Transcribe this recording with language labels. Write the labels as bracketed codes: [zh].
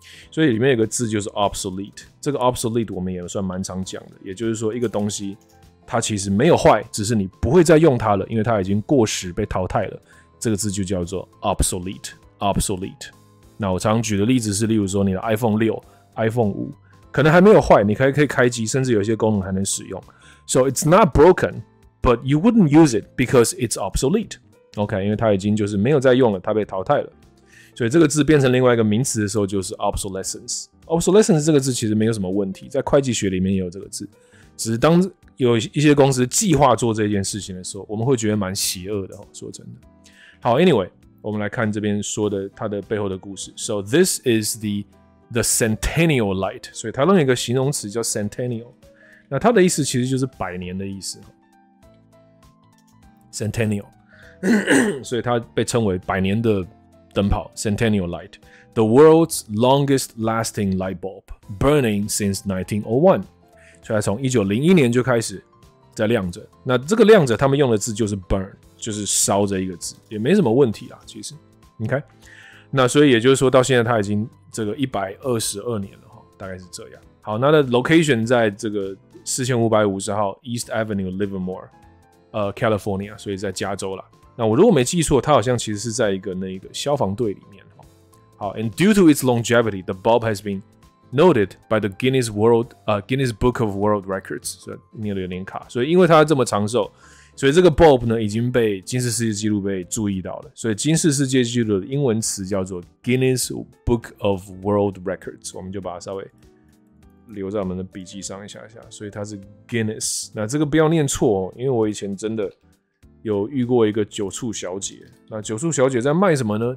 [zh] 所以里面有个字就是 obsolete， 这个 obsolete 我们也算蛮常讲的，也就是说一个东西它其实没有坏，只是你不会再用它了，因为它已经过时被淘汰了，这个字就叫做 obsolete。 obsolete， 那我常常举的例子是例如说你的 iPhone 6 iPhone 5可能还没有坏，你可以开机，甚至有些功能还能使用。 [en] So it's not broken but you wouldn't use it because it's obsolete。 [zh] OK， 因为它已经就是没有在用了，它被淘汰了。所以这个字变成另外一个名词的时候就是 obsolescence。 obsolescence 这个字其实没有什么问题，在会计学里面也有这个字，只是当有一些公司计划做这件事情的时候，我们会觉得蛮邪恶的，说真的。好 ，Anyway， 我们来看这边说的它的背后的故事。 [en] So this is the centennial light。 [zh] 所以它用一个形容词叫 centennial。那它的意思其实就是百年的意思。 [en] Centennial， [zh] 所以它被称为百年的灯泡 [en] ，centennial light， the world's longest lasting light bulb burning since 1901。 [zh] 所以它从1901年就开始在亮着。那这个亮着，他们用的字就是 burn。就是烧着一个字也没什么问题啦，其实 OK， 那所以也就是说到现在它已经这个122年了，大概是这样。好，那的 location 在这个4550号 East Avenue Livermore California， 所以在加州啦。那我如果没记错，它好像其实是在一个那个消防队里面。 [en] 好， and due to its longevity the bulb has been noted by the Guinness World Guinness Book of World Records， [zh] 所以念得有点卡。所以因为它这么长寿，所以这个 bulb 呢已经被吉尼斯世界纪录被注意到了，所以吉尼斯世界纪录的英文词叫做 Guinness Book of World Records， 我们就把它稍微留在我们的笔记上一下下。所以它是 Guinness， 那这个不要念错哦，因为我以前真的有遇过一个酒醋小姐，那酒醋小姐在卖什么呢？